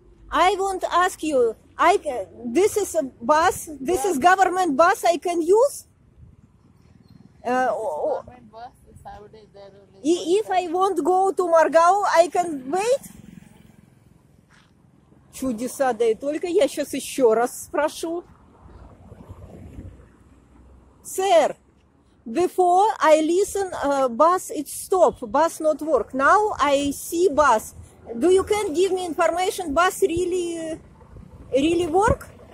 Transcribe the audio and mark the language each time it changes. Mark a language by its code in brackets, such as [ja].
[en] I want to ask you, this is a bus, this is government bus I can use? Government bus is already there. Only if I won't go to Margao, I can wait? [ru] Чудеса, да и только, я сейчас еще раз спрошу. [en] Sir, before I listen, bus it stop, bus not work. Now I see bus. Do you can give me information, bus really, really work?